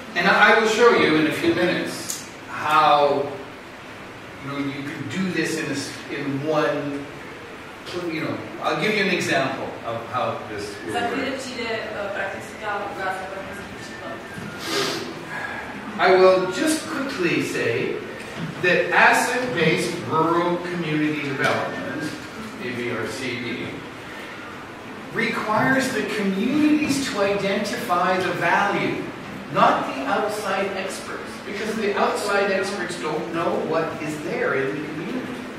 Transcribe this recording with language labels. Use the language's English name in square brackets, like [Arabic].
[English] And I will show you in a few minutes how you can do this in one, I'll give you an example of how this works. [Czech] Za chvíli přijde praktická ukázka, praktický příklad. [English] I will just quickly say that asset-based rural community development, ABRCD, requires the communities to identify the value, not the outside experts, because the outside experts don't know what is there in the community.